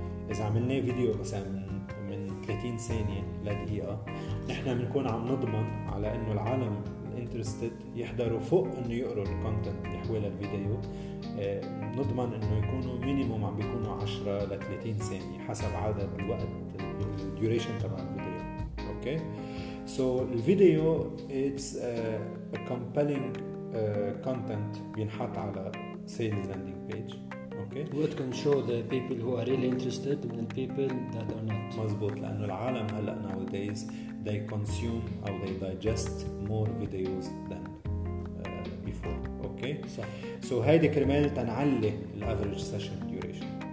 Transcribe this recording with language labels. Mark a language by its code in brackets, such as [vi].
[ar] إذا عملناه فيديو مثلاً من 30 ثانية لدقيقة، نحن بنكون عم نضمن على إنه العالم interested يحضروا فوق إنه يقروا الكونتنت اللي حوالي الفيديو. نضمن إنه يكونوا مينيموم عم بيكونوا 10 ل 30 ثانية حسب عدد الوقت الديوريشن تبع الفيديو. أوكي. [en] So الفيديو it's a compelling content [ar] بينحط على [en] sales landing page. Okay. What can show the people who are really interested and the people that are not. [ar] مزبوط، لأنه العالم هلأ [en] nowadays they consume or they digest more videos than before. Okay. [ar] صح. So هيدي كرمال تنعلي ال [en] average session duration.